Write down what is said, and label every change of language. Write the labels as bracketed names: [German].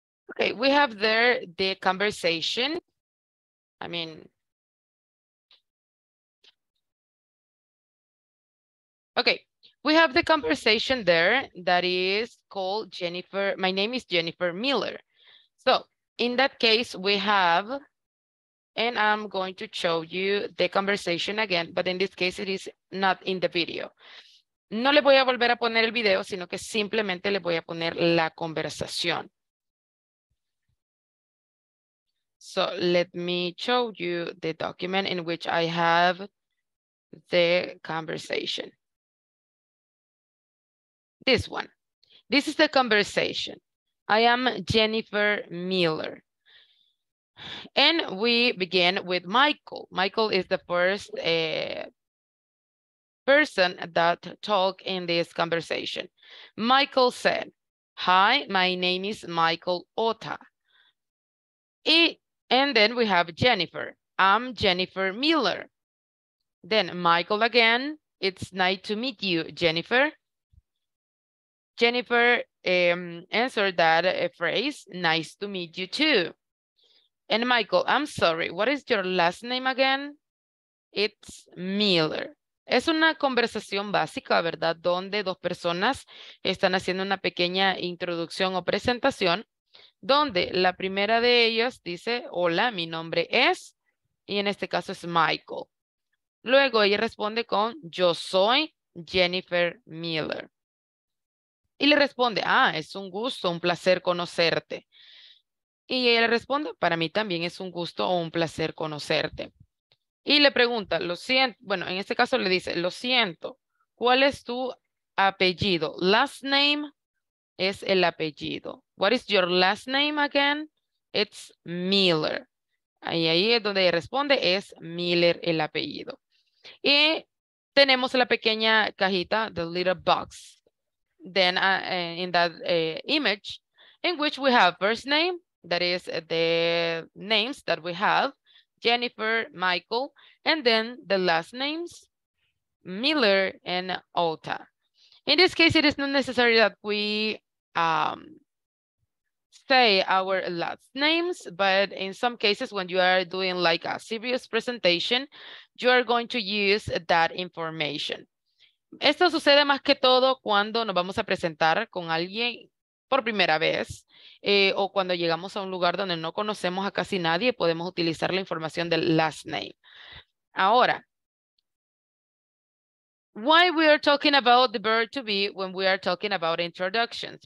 [English] Okay, we have there the conversation. I mean, okay. We have the conversation there that is called Jennifer. My name is Jennifer Miller. So in that case, we have, and I'm going to show you the conversation again, but in this case, it is not in the video. [Spanish] No le voy a volver a poner el video, sino que simplemente le voy a poner la conversación. [English] So let me show you the document in which I have the conversation. This one. This is the conversation. I am Jennifer Miller. And we begin with Michael. Michael is the first person that talked in this conversation. Michael said, hi, my name is Michael Ota. And then we have Jennifer. I'm Jennifer Miller. Then Michael again, it's nice to meet you, Jennifer. Jennifer answered that phrase, nice to meet you too. And Michael, I'm sorry, what is your last name again? It's Miller. [Spanish] Es una conversación básica, ¿verdad? Donde dos personas están haciendo una pequeña introducción o presentación, donde la primera de ellas dice, hola, mi nombre es, y en este caso es Michael. Luego ella responde con, yo soy Jennifer Miller. Y le responde, ah, es un gusto, un placer conocerte. Y ella le responde, para mí también es un gusto o un placer conocerte. Y le pregunta, lo siento, bueno, en este caso le dice, lo siento, ¿cuál es tu apellido? [English] Last name [Spanish] es el apellido. [English] What is your last name again? It's Miller. [Spanish] Y ahí es donde ella responde, es Miller el apellido. Y tenemos la pequeña cajita, [English] the little box. Then in that image, in which we have first name, that is the names that we have, Jennifer, Michael, and then the last names, Miller and Ota. In this case, it is not necessary that we say our last names, but in some cases when you are doing like a serious presentation, you are going to use that information. [Spanish] Esto sucede más que todo cuando nos vamos a presentar con alguien por primera vez o cuando llegamos a un lugar donde no conocemos a casi nadie, podemos utilizar la información del last name. [English] Ahora, why we are talking about the verb to be when we are talking about introductions?